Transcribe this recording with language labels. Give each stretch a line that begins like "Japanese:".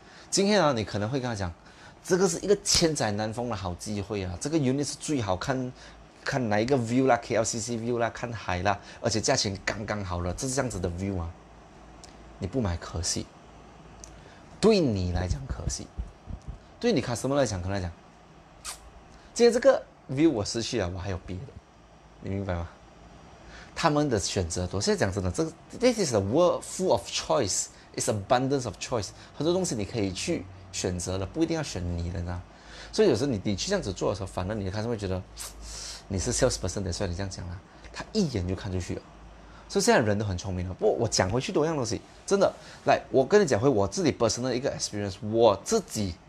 Chinese: 今天啊，你可能会跟他讲，这个是一个千载难逢的好机会啊，这个 unit 是最好看，看哪一个 view 啦，KLCC view 啦，看海啦，而且价钱刚刚好了，这是这样子的 view 啊。你不买可惜，对你来讲可惜，对你 customer 来讲可能来讲，今天这个。 view 我失去了，我还有别的，你明白吗？他们的选择多。现在讲真的，这个
English: this is a world full of choice,
Chinese: it's abundance of choice。很多东西你可以去选择的，不一定要选你的呢。所以有时候你去这样子做的时候，反而你的客户会觉得你是 salesperson 的，所以你这样讲啦，他一眼就看出去了。所以现在人都很聪明了。不过我讲回去多样东西，真的，来，我跟你讲回我自己 personal 的一个 experience，我自己。